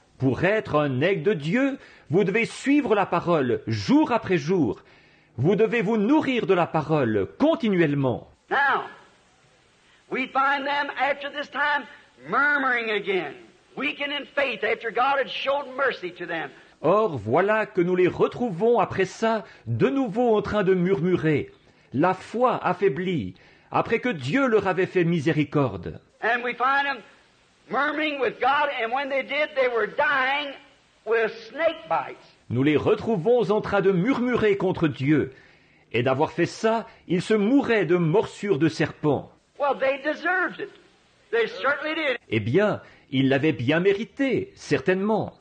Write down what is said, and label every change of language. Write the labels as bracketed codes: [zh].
[fr] Pour être un aigle de Dieu, vous devez suivre la parole jour après jour. Vous devez vous nourrir de la parole continuellement. [en] Now, we find them after this time murmuring again, weakened in faith after God had showed mercy to them. [fr] Or, voilà que nous les retrouvons après ça, de nouveau en train de murmurer. La foi affaiblie, après que Dieu leur avait fait miséricorde. [en] And we find them murmuring with God, and when they did, they were dying with snake bites. [fr] Nous les retrouvons en train de murmurer contre Dieu. Et d'avoir fait ça, ils se mouraient de morsures de serpents. [en] Well, they deserved it. They certainly did. [fr] Eh bien, ils l'avaient bien mérité, certainement.